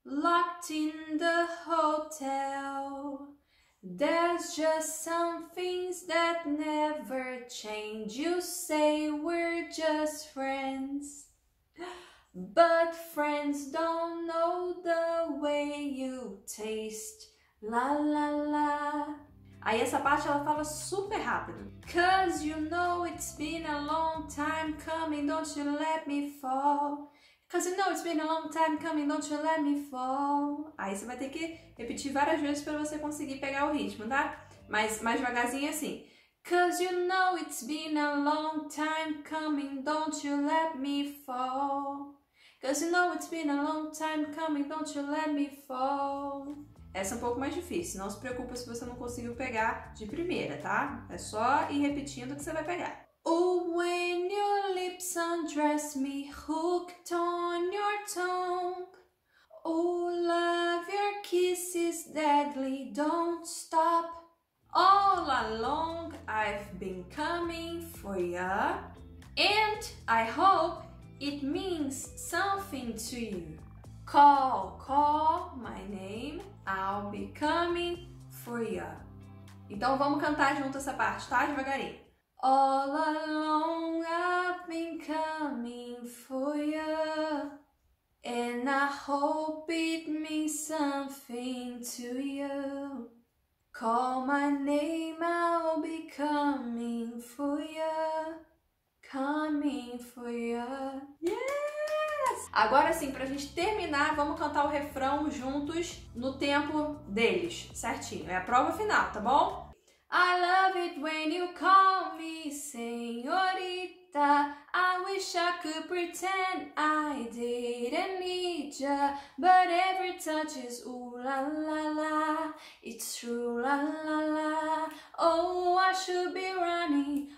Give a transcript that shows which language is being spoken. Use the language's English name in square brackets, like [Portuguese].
[English] Locked in the hotel, there's just some things that never change. You say we're just friends, but friends don't know the way you taste. La la la. [Portuguese] Aí essa parte ela fala super rápido. [English] 'Cause you know it's been a long time coming, don't you let me fall. 'Cause you know it's been a long time coming, don't you let me fall. [Portuguese] Aí você vai ter que repetir várias vezes pra você conseguir pegar o ritmo, tá? Mas mais devagarzinho assim. [English] 'Cause you know it's been a long time coming, don't you let me fall. 'Cause you know it's been a long time coming, don't you let me fall. [Portuguese] Essa é um pouco mais difícil, não se preocupe se você não conseguiu pegar de primeira, tá? É só ir repetindo que você vai pegar. [English] Oh, when your lips undress me, hooked on your tongue. Oh, love, your kiss is deadly, don't stop. All along I've been coming for ya. And I hope it means something to you. Call, call my name, I'll be coming for ya. [Portuguese] Então vamos cantar junto essa parte, tá? Devagarinho. [English] All along I've been coming for ya. And I hope it means something to you. Call my name, I'll be coming for ya. Coming for ya. Yeah! [Portuguese] Agora sim, pra gente terminar, vamos cantar o refrão juntos no tempo deles, certinho. É a prova final, tá bom? [English] I love it when you call me senhorita. I wish I could pretend I didn't need ya. But every touch is ooh la la la. It's true la la la. Oh, I should be running.